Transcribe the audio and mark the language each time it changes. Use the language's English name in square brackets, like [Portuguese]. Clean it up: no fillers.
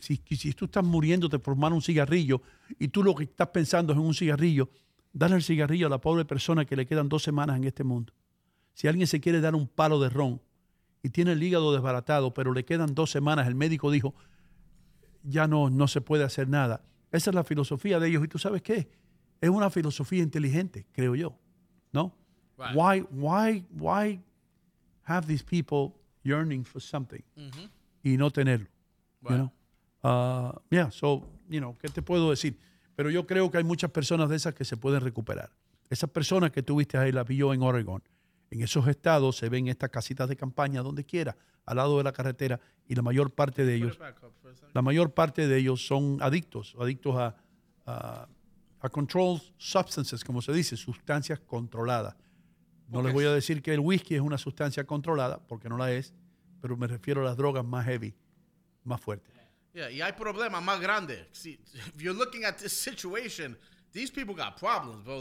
[Spanish] Si tú estás muriendo de fumar un cigarrillo y tú lo que estás pensando es en un cigarrillo, dale el cigarrillo a la pobre persona que le quedan 2 semanas en este mundo. Si alguien se quiere dar un palo de ron y tiene el hígado desbaratado, pero le quedan 2 semanas, el médico dijo, ya no se puede hacer nada. Esa es la filosofía de ellos. ¿Y tú sabes qué? Es una filosofía inteligente, creo yo. ¿No? [English] Right. Why have these people yearning for something [Spanish] y no tenerlo? [English] Right. You know? [Spanish] ¿Qué te puedo decir? Pero yo creo que hay muchas personas de esas que se pueden recuperar. Esas personas que tuviste ahí, las vi yo en Oregon. En esos estados se ven estas casitas de campaña donde quiera, al lado de la carretera, y la mayor parte de ellos, son adictos a [English] controlled substances, [Spanish] como se dice, sustancias controladas. No les voy a decir que el whisky es una sustancia controlada, porque no la es, pero me refiero a las drogas más heavy, más fuertes. Yeah, y hay problemas más grandes. [English] If you're looking at this situation, these people got problems, bro.